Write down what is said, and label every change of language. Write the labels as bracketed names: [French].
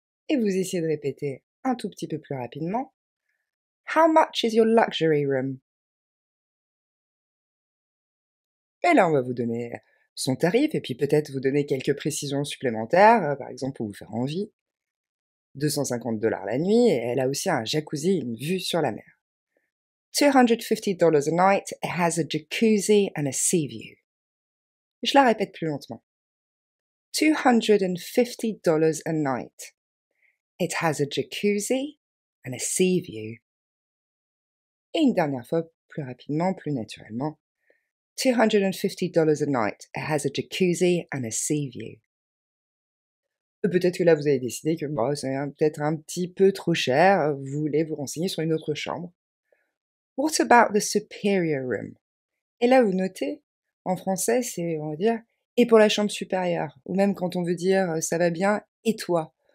[French] Et vous essayez de répéter un tout petit peu plus rapidement. [English] How much is your luxury room? [French] Et là, on va vous donner son tarif, et puis peut-être vous donner quelques précisions supplémentaires, par exemple pour vous faire envie. 250 $ la nuit, et elle a aussi un jacuzzi, une vue sur la mer. [English] $250 a night, it has a jacuzzi and a sea view. [French] Je la répète plus lentement. [English] $250 a night, it has a jacuzzi and a sea view. [French] Et une dernière fois, plus rapidement, plus naturellement. [English] $250 a night. It has a jacuzzi and a sea view. [French] Peut-être que là, vous avez décidé que bon, c'est peut-être un petit peu trop cher. Vous voulez vous renseigner sur une autre chambre. [English] What about the superior room? [French] Et là, vous notez, en français, c'est, on va dire, et pour la chambre supérieure. Ou même quand on veut dire, ça va bien, et toi?